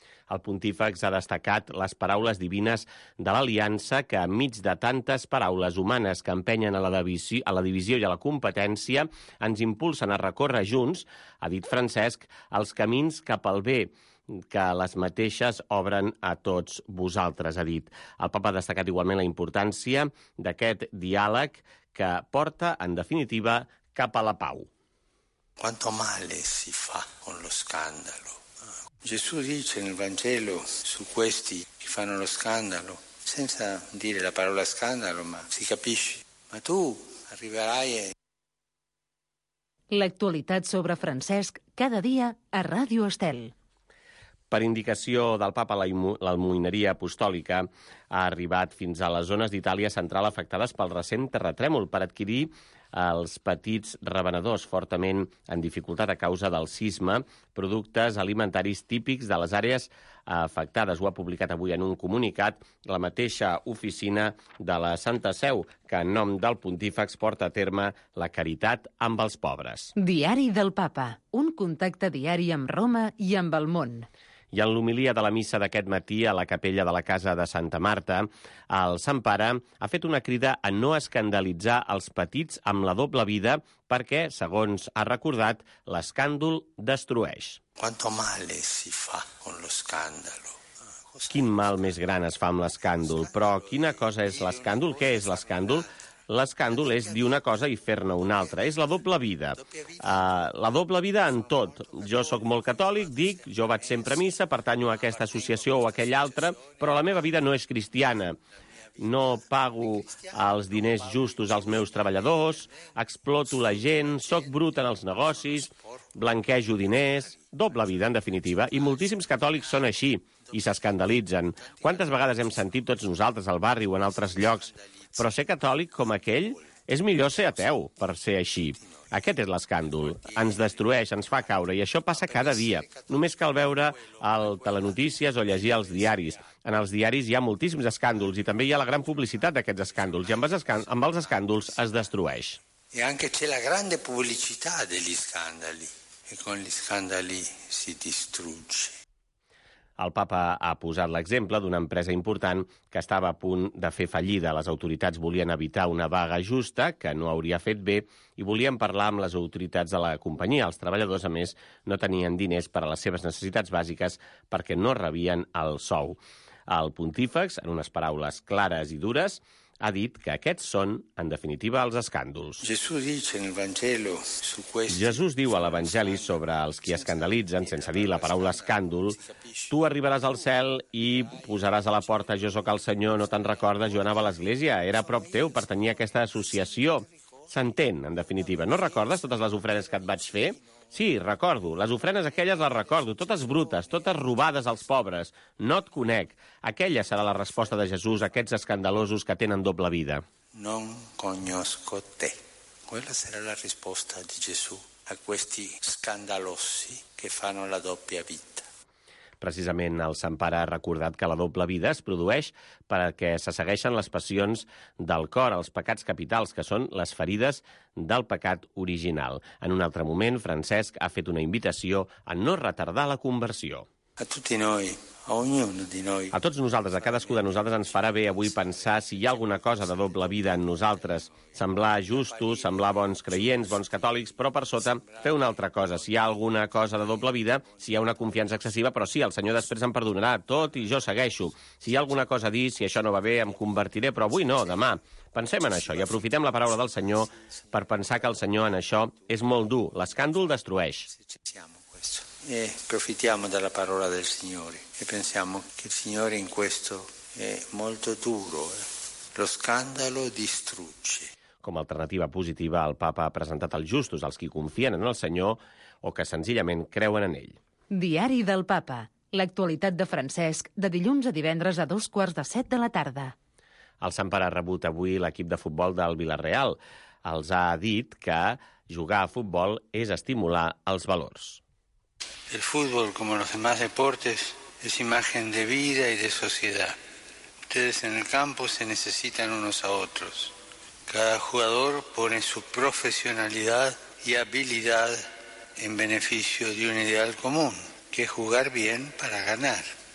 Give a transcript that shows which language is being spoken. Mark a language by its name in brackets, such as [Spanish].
[Catalan] El pontífex ha destacat les paraules divines de l'aliança que, enmig de tantes paraules humanes que empenyen a la divisió i a la competència, ens impulsen a recórrer junts, ha dit Francesc, els camins cap al bé que les mateixes obren a tots vosaltres, ha dit. El papa ha destacat igualment la importància d'aquest diàleg que porta, en definitiva, cap a la pau. [Italian] Quanto male si fa con lo scandalo. Gesù dice nel Vangelo su questi che fanno lo scandalo, senza dire la parola scandalo, ma si capisce. Ma tu arriverai e... [Catalan] L'actualitat sobre Francesc, cada dia a Ràdio Estel. Per indicació del papa, l'Almoineria Apostòlica ha arribat fins a les zones d'Itàlia central afectades pel recent terratrèmol per adquirir els petits revenedors fortament en dificultat a causa del sisme, productes alimentaris típics de les àrees afectades. Ho ha publicat avui en un comunicat la mateixa oficina de la Santa Seu, que en nom del pontífex porta a terme la caritat amb els pobres. Diari del Papa, un contacte diari amb Roma i amb el món. I en l'homilia de la missa d'aquest matí a la capella de la casa de Santa Marta, el Sant Pare ha fet una crida a no escandalitzar els petits amb la doble vida perquè, segons ha recordat, l'escàndol destrueix. [Italian] Quanto male si fa con lo scandalo. [Catalan] Quin mal més gran es fa amb l'escàndol, però quina cosa és l'escàndol? Què és l'escàndol? L'escàndol és dir una cosa i fer-ne una altra. És la doble vida. La doble vida en tot. Jo sóc molt catòlic, dic, jo vaig sempre a missa, pertanyo a aquesta associació o a aquella altra, però la meva vida no és cristiana. No pago els diners justos als meus treballadors, exploto la gent, sóc brut en els negocis, blanquejo diners... Doble vida, en definitiva. I moltíssims catòlics són així i s'escandalitzen. Quantes vegades hem sentit tots nosaltres al barri o en altres llocs? Però ser catòlic com aquell és millor ser ateu per ser així. Aquest és l'escàndol. Ens destrueix, ens fa caure. I això passa cada dia. Només cal veure el Telenotícies o llegir els diaris. En els diaris hi ha moltíssims escàndols i també hi ha la gran publicitat d'aquests escàndols. I amb els escàndols es destrueix. [Italian] I anche c'è la grande pubblicità degli scandali. E con gli scandali si distrugge. [Catalan] El papa ha posat l'exemple d'una empresa important que estava a punt de fer fallida. Les autoritats volien evitar una vaga justa, que no hauria fet bé, i volien parlar amb les autoritats de la companyia. Els treballadors, a més, no tenien diners per a les seves necessitats bàsiques perquè no rebien el sou. El pontífex, en unes paraules clares i dures, ha dit que aquests són, en definitiva, els escàndols. Jesús diu a l'Evangeli sobre els qui escandalitzen, sense dir la paraula escàndol, tu arribaràs al cel i posaràs a la porta, jo sóc el Senyor, no te'n recordes, jo anava a l'església, era a prop teu, pertanyia a aquesta associació. S'entén, en definitiva. No recordes totes les ofrenes que et vaig fer? Sí, recordo. Les ofrenes aquelles les recordo, totes brutes, totes robades als pobres. No et conec. Aquella serà la resposta de Jesús a aquests escandalosos que tenen doble vida. [Italian] Non conosco te. Quella serà la resposta de Jesús a questi scandalosi che fanno la doppia vita. [Catalan] Precisament el Sant Pare ha recordat que la doble vida es produeix perquè se segueixen les passions del cor, els pecats capitals, que són les ferides del pecat original. En un altre moment, Francesc ha fet una invitació a no retardar la conversió. [Italian] A tutti noi, a ognuno di noi. [Catalan] A tots nosaltres, a cadascú de nosaltres, ens farà bé avui pensar si hi ha alguna cosa de doble vida en nosaltres. Semblar justos, semblar bons creients, bons catòlics, però per sota fer una altra cosa. Si hi ha alguna cosa de doble vida, si hi ha una confiança excessiva, però sí, el Senyor després em perdonarà tot i jo segueixo. Si hi ha alguna cosa a dir, si això no va bé, em convertiré, però avui no, demà. Pensem en això i aprofitem la paraula del Senyor per pensar que el Senyor en això és molt dur. L'escàndol destrueix. [Italian] E profitiamo della parola del Signore e pensiamo che il Signore in questo è molto duro. Lo scandalo distrugge. [Catalan] Com a alternativa positiva, el Papa ha presentat els justos, els qui confien en el Senyor o que senzillament creuen en ell. Diari del Papa. L'actualitat de Francesc, de dilluns a divendres a 6:45 de la tarda. El Sant Pare ha rebut avui l'equip de futbol del Vila-real. Els ha dit que jugar a futbol és estimular els valors. [Spanish] El fútbol, como los demás deportes, es imagen de vida y de sociedad. Ustedes en el campo se necesitan unos a otros. Cada jugador pone su profesionalidad y habilidad en beneficio de un ideal común, que es jugar bien para ganar.